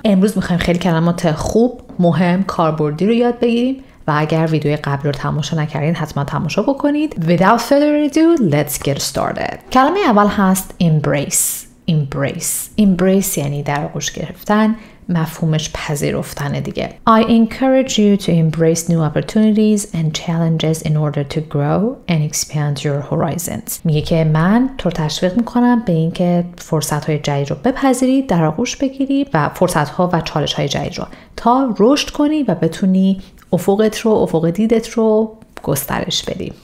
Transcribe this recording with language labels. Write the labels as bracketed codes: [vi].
[fa] امروز میخوایم خیلی کلمات خوب، مهم، کاربردی رو یاد بگیریم و اگر ویدیوی قبلی رو تماشا نکردین حتما تماشا بکنید. [en] Without further ado, let's get started. [fa] کلمه اول هست [en] embrace. [fa] Embrace یعنی در آغوش گرفتن، مفهومش پذیرفتن دیگه. [en] I encourage you to embrace new opportunities and challenges in order to grow and expand your horizons. [fa] میگه که من تو رو تشویق میکنم به اینکه فرصت‌های جدید رو بپذیری، در آغوش بگیری و فرصت‌ها و چالش‌های جدید رو تا رشد کنی و بتونی افقت رو، افق دیدت رو گسترش بدی.